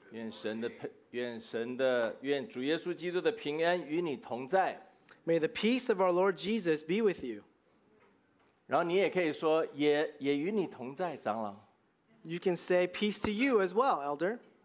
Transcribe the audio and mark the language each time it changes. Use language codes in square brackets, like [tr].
[zh] 愿主耶稣基督的平安与你同在。 [en] May the peace of our Lord Jesus be with you. [zh] 然后你也可以说也与你同在，长老。 [en] You can say peace to you as well, elder.